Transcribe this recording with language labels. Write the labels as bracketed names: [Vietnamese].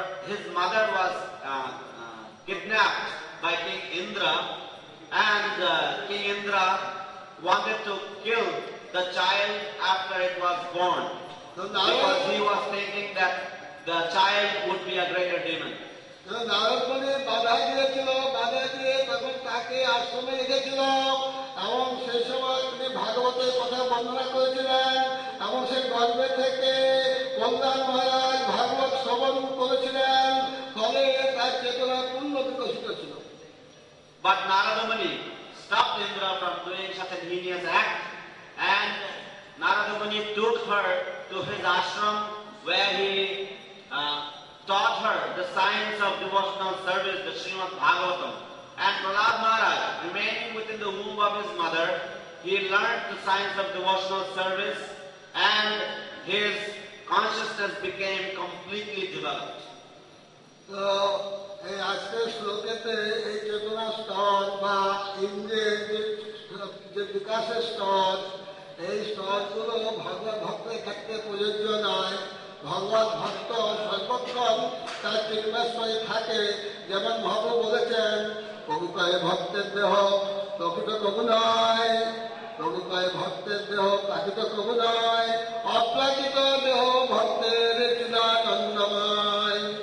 [English] His mother was kidnapped by King Indra, and King Indra wanted to kill the child after it was born because he was thinking that the child would be a greater demon. [Bangla] Narad Muni বাধা দিয়েছিল, বাধা দিয়ে তখন তাকে আশ্রমে রেখেছিল এবং সে সময় তিনি ভাগবতের কথা বর্ণনা করেছিলেন এবং সেই গর্ভে থেকে প্রহ্লাদ মহারাজ ভাগবত শ্রবণ করেছিলেন, ফলে তার চেতনা পূর্ণ বিকশিত ছিল. [English] But Naradamuni stopped Indra from doing such a heinous act, and Naradamuni took her to his ashram where he taught her the science of devotional service, the Srimad Bhagavatam. And Prahlad Maharaj, remaining within the womb of his mother, he learned the science of devotional service and his consciousness became completely developed. [Bangla] So, এই আজকের শ্লোকেতে এই চেতনা স্তর বা ইন্দ্রিয়ের যে বিকাশের স্তর, এই স্তরগুলো ভগবত ভক্তের ক্ষেত্রে প্রযোজ্য নয়। ভগবত ভক্ত সর্বক্ষণ তার চিন্তাস্তরে থাকে, যেমন ভগবান বলেছেন, প্রভুকায় ভক্তের দেহ প্রকৃত প্রভু নয়, প্রভুকায় ভক্তের দেহ প্রাকৃত প্রভু নয়, অপ্রাকৃত দেহ ভক্তের চিদানন্দময়।